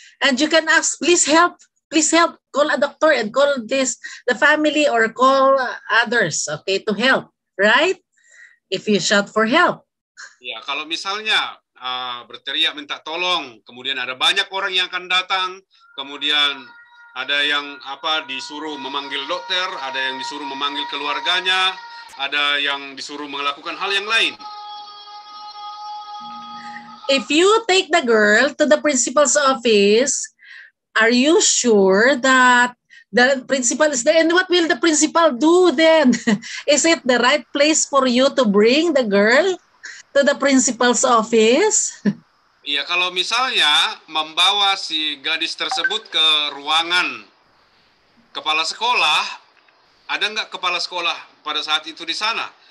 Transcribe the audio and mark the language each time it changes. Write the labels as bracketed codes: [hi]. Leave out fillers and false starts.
[en] And you can ask, please help, call a doctor and call this, the family or call others, okay, to help, right? If you shout for help. [id] Ya, kalau misalnya berteriak minta tolong, kemudian ada banyak orang yang akan datang, kemudian... Ada yang disuruh memanggil dokter, ada yang disuruh memanggil keluarganya, ada yang disuruh melakukan hal yang lain. [en] If you take the girl to the principal's office, are you sure that the principal is there? And what will the principal do then? Is it the right place for you to bring the girl to the principal's office? [id] Iya, kalau misalnya membawa si gadis tersebut ke ruangan kepala sekolah, ada nggak kepala sekolah pada saat itu di sana?